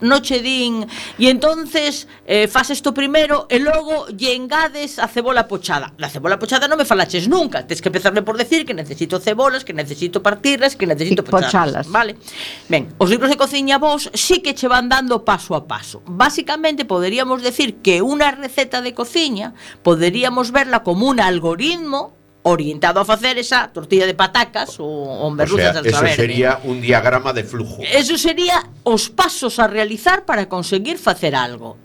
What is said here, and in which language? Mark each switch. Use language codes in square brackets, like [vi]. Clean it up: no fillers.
[gl] Non che din, e entonces faz isto primeiro e logo lle engades a cebola pochada. La cebola pochada non me falaches nunca. Tens que empezarme por decir que necesito cebolas, que necesito partirlas, que necesito pochalas. Vale. Ben, os libros de cociña vos sí que che van dando paso a paso. Básicamente, poderíamos decir que unha receta de cociña poderíamos verla como un algoritmo orientado a facer esa tortilla de patacas ou merluzas, [es] o sea, al saber. Eso sería un diagrama de flujo. [gl] Eso sería os pasos a realizar para conseguir facer algo.